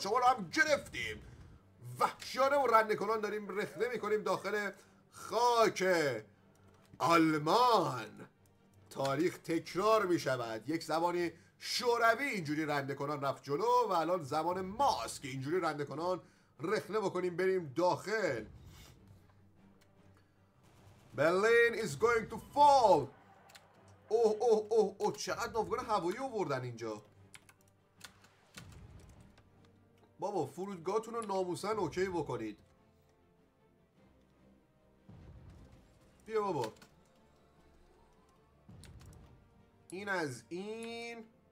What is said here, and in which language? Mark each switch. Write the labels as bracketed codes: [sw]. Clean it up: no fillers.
[fa] شما رو هم گرفتیم. وحشیانه و رنده کنان داریم رخنه میکنیم داخل خاک آلمان. تاریخ تکرار میشود. یک زبانی شوروی اینجوری رنده کنان رفت جلو و الان زمان ماست که اینجوری رنده کنان رخنه بکنیم بریم داخل. [en] Berlin is going to fall. [fa] اوه اوه اوه اوه چقدر ناوگان هوایی آوردن اینجا. بابا فرودگاهتون رو ناموسن اوکی بکنید. بیا بابا این از این.